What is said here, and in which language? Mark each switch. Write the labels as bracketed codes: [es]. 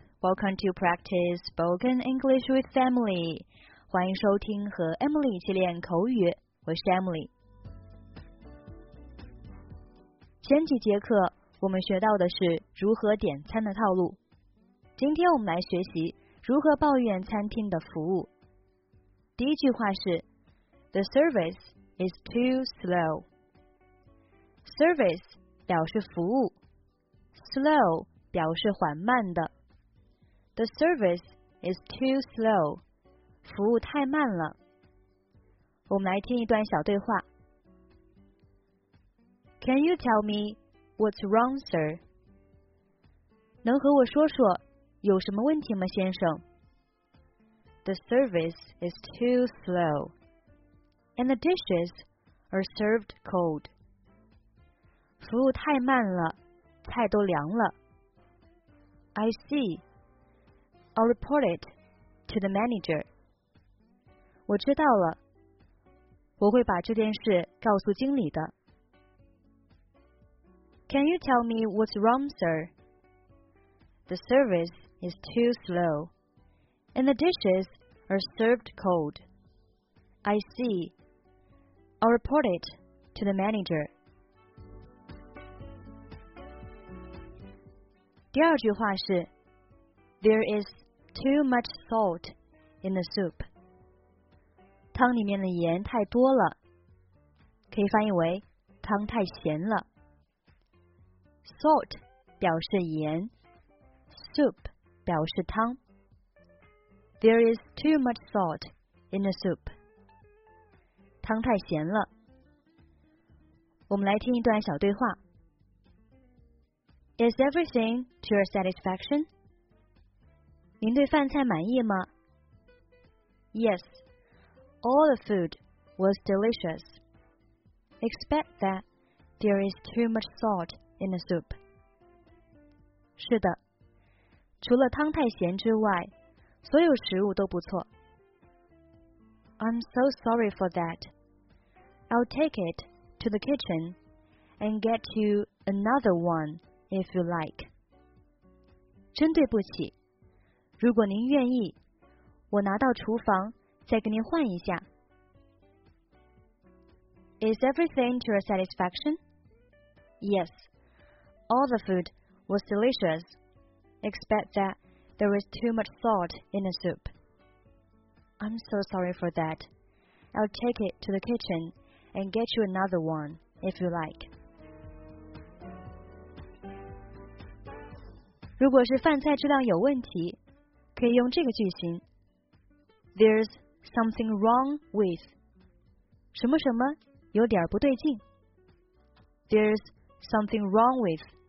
[en] Welcome to practice spoken English with Emily. [zh] 欢迎收听和 Emily 一起练口语，我是 Emily。前几节课我们学到的是如何点餐的套路，今天我们来学习如何抱怨餐厅的服务。 [en] 第一句话是 The service is too slow. [zh] Service 表示服务， slow 表示缓慢的。 [en] The service is too slow. [zh] 服务太慢了。我们来听一段小对话。 [en] Can you tell me what's wrong, sir? [zh] 能和我说说有什么问题吗，先生？ [en] The service is too slow, and the dishes are served cold. [zh] 服务太慢了，菜都凉了。 I see. [en] I'll report it to the manager. [zh] 我知道了，我会把这件事告诉经理的。 [en] Can you tell me what's wrong, sir? The service is too slow, and the dishes are served cold. I see. I'll report it to the manager. 第二句话是 There is too much salt in the soup. [zh] 汤里面的盐太多了，可以翻译为汤太咸了。 Salt 表示盐， soup 表示汤。 [en] There is too much salt in the soup. [zh] 汤太咸了。我们来听一段小对话。 [en] Is everything to your satisfaction? [zh] 您对饭菜满意吗？ [en] Yes, all the food was delicious. Except that there is too much salt in the soup. [zh] 是的，除了汤太咸之外，所有食物都不错。 [en] I'm so sorry for that. I'll take it to the kitchen and get you another one if you like. [zh] 真对不起，如果您愿意，我拿到厨房再给您换一下。 [en] Is everything to your satisfaction? Yes, all the food. Was delicious. Except that there was too much salt in the soup. I'm so sorry for that. I'll take it to the kitchen and get you another one if you like. [zh] 如果是饭菜质量有问题，可以用这个句型。 [en] There's something wrong with. [zh] 什么什么有点不对劲。 [en] There's something wrong with.